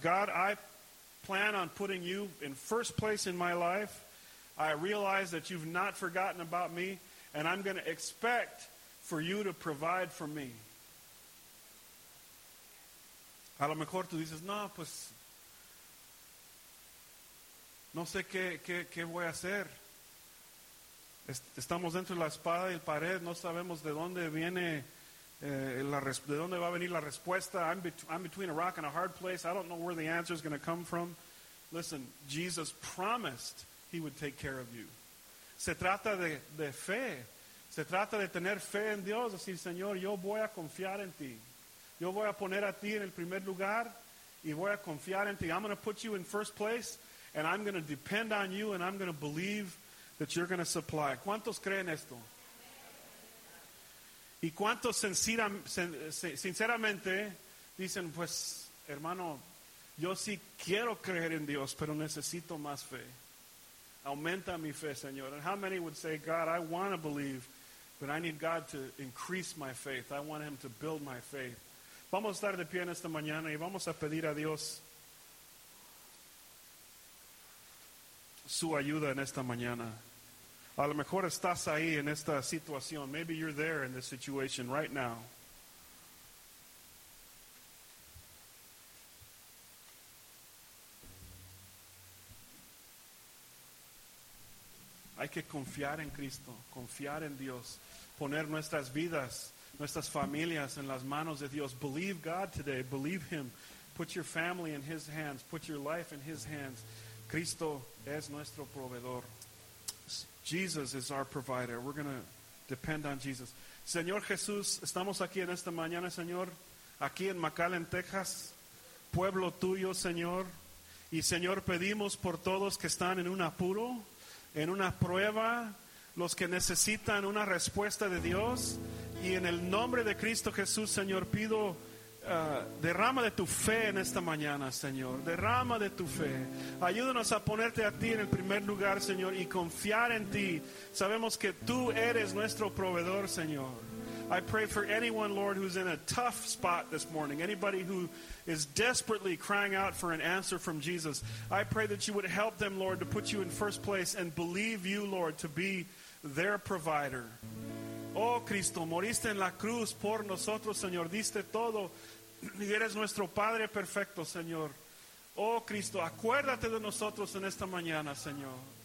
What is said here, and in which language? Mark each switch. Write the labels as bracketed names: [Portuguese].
[English] God, I plan on putting you in first place in my life. I realize that you've not forgotten about me, and I'm going to expect for you to provide for me. [Spanish] A lo mejor tú dices, no, pues, no sé qué voy a hacer. Estamos dentro de la espada y la pared, no sabemos de dónde viene, de dónde va a venir la respuesta. [English] I'm between a rock and a hard place. I don't know where the answer is going to come from. Listen, Jesus promised He would take care of you. [Spanish] Se trata de fe. Se trata de tener fe en Dios. Decir, Señor, yo voy a confiar en ti. Yo voy a poner a ti en el primer lugar y voy a confiar en ti. [English] I'm going to put you in first place and I'm going to depend on you and I'm going to believe that you're going to supply. [Spanish] ¿Cuántos creen esto? ¿Y cuántos sinceramente dicen, pues, hermano, yo sí quiero creer en Dios, pero necesito más fe? Aumenta mi fe, Señor. [English] And how many would say, God, I want to believe, but I need God to increase my faith. I want Him to build my faith. [Spanish] Vamos a estar de pie en esta mañana y vamos a pedir a Dios su ayuda en esta mañana. A lo mejor estás ahí en esta situación. [English] Maybe you're there in this situation right now. [Spanish] Hay que confiar en Cristo, confiar en Dios, poner nuestras vidas, nuestras familias en las manos de Dios. [English] Believe God today, believe Him. Put your family in His hands, put your life in His hands. [Spanish] Cristo es nuestro proveedor. [English] Jesus is our provider. We're going to depend on Jesus. [Spanish] Señor Jesús, estamos aquí en esta mañana, Señor. aquí en McAllen, Texas, pueblo tuyo, Señor. Y Señor, pedimos por todos que están en un apuro, en una prueba, los que necesitan una respuesta de Dios. Y en el nombre de Cristo Jesús, Señor, pido, derrama de tu fe en esta mañana, Señor. Derrama de tu fe. Ayúdanos a ponerte a ti en el primer lugar, Señor, y confiar en ti. Sabemos que tú eres nuestro proveedor, Señor. [English] I pray for anyone, Lord, who's in a tough spot this morning, anybody who is desperately crying out for an answer from Jesus. I pray that you would help them, Lord, to put you in first place and believe you, Lord, to be their provider. [Spanish] Oh, Cristo, moriste en la cruz por nosotros, Señor. Diste todo y eres nuestro Padre perfecto, Señor. Oh, Cristo, acuérdate de nosotros en esta mañana, Señor.